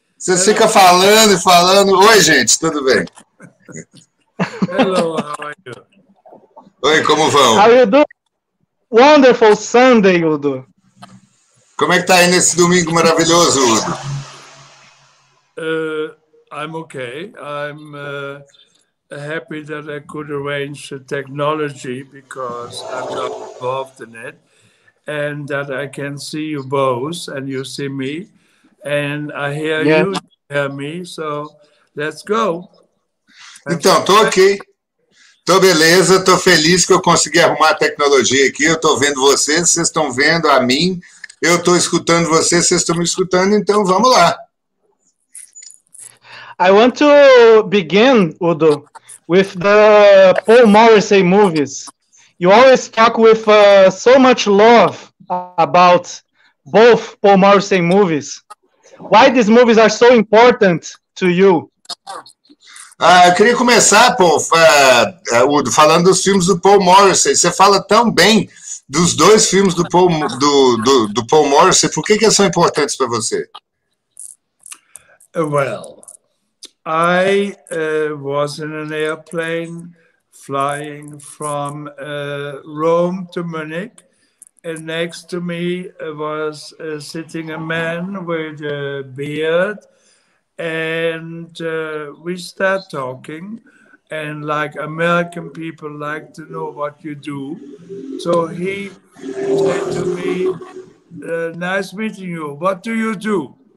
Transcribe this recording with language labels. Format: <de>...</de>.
<pt>Você fica falando e falando. Oi, gente, tudo bem?</pt> <en>Hello, how are you?</en> <pt>Oi, como vão?</pt> <en>How you doing? Wonderful Sunday, Udo.</en> <pt>Como é que tá aí nesse domingo maravilhoso, Udo?</pt> <en>I'm okay. I'm happy that I could arrange the technology because I'm not involved in it, and that I can see you both and you see me. And I hear you hear me, so let's go.</en> <pt>Então, tô ok. Tô beleza, tô feliz que eu consegui arrumar a tecnologia aqui. Eu tô vendo vocês, vocês estão vendo a mim. Eu tô escutando vocês, vocês estão me escutando, então vamos lá.</pt> <en>I want to begin, Udo, with the Paul Morrissey movies. You always talk with so much love about both Paul Morrissey movies. why these movies are so important to you?</en> <pt>Eu queria começar, Udo, falando dos filmes do Paul Morrissey. Você fala tão bem dos dois filmes do Paul, do Paul Morrissey. Por que, que são importantes para você?</pt> <en>Well, I was in an airplane flying from Rome to Munich, and next to me was sitting a man with a beard, and we start talking, and like American people like to know what you do, so he said to me, nice meeting you, what do you do?</en>